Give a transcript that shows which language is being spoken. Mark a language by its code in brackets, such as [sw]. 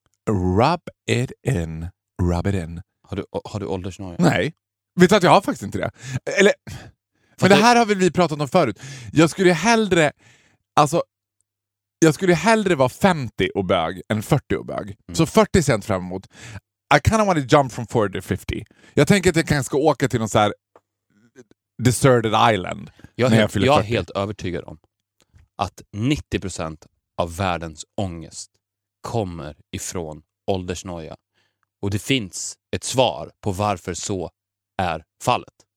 [en] Rub it in. Rub it in. [sv] Har du åldersnoja? Nej. Vet du att jag har faktiskt inte det? Eller... Men det här har väl vi pratat om förut. Jag skulle hellre... Alltså... Jag skulle hellre vara 50 och bög än 40 och bög. Mm. Så 40 cent framåt. [en] I kind of want to jump from 40 to 50. [sv] Jag tänker att jag kanske ska åka till någon så här... [en] Deserted Island. [sv] Jag är helt övertygad om att 90% av världens ångest kommer ifrån åldersnoja. Och det finns ett svar på varför så är fallet.